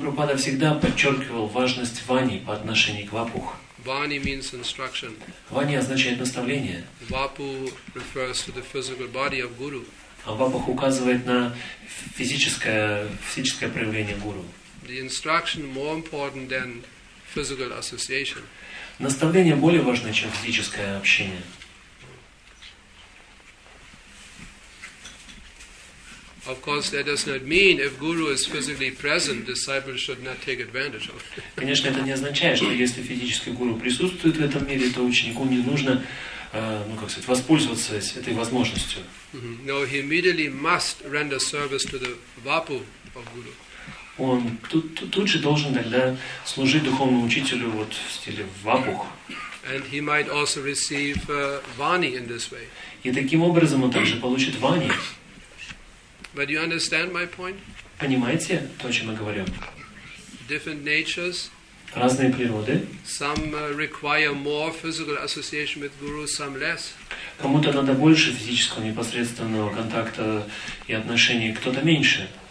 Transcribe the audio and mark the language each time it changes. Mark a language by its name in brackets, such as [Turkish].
[Russian] Прабхупада всегда подчеркивал важность вани по отношению к вапух. [English] Vani means instruction. [Russian] Вани означает наставление. [English] Vapu refers to the physical body of guru. [Russian] А вапух указывает на физическое проявление гуру. [English] The instruction more important than physical association. [Russian] Наставление более важно, чем физическое общение. [English] Of course, that does not mean if guru is physically present, disciples should not take advantage of. [Russian] Конечно, это не означает, что если физический гуру присутствует в этом мире, то ученику не нужно воспользоваться этой возможностью. [English] No, he immediately must render service to the vapu of guru. [Russian] Он тут же должен тогда служить духовному учителю вот в стиле вапух. [English] And he might also receive vani in this way. [Russian] И таким образом он также получит вани. [English] But you understand my point? [Russian] Понимаете то, о чем я говорю? [English] Different natures. [Russian] Разные природы. [English] Some require more physical association with guru, some less. [Russian] Кому-то надо больше физического непосредственного контакта и отношений, кто-то меньше.